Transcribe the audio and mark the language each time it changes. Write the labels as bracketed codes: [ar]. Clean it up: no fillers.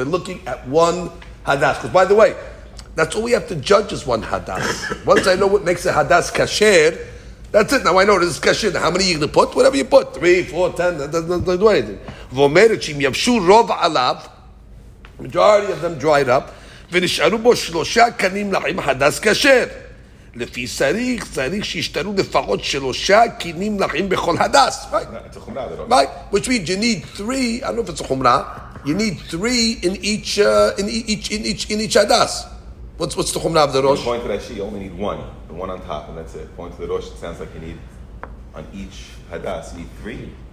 [en] We're looking at 1 hadas. Because by the way, that's all we have to judge is 1 hadas. Once I know what makes a hadas kasher, that's it. Now I know this is kasher. How many are you going to put? Whatever you put, 3, 4, 10, that doesn't do anything. [he] Vomerichim yavshu rov alav, [en] majority of them dried up. [he] ונשארו בו 3 קנים לחים הדס כשר. לפי צריך שישתנו לפחות 3 קנים לחים בכל הדס. [en] Right. It's a chumra. Right. Which means you need 3, I don't know if it's a chumra. You need three in each hadas. What's the chumrah of the rosh? Point to Rashi, you only need one, the one on top, and that's it. Point to the rosh. It sounds like you need on each hadas. You need three.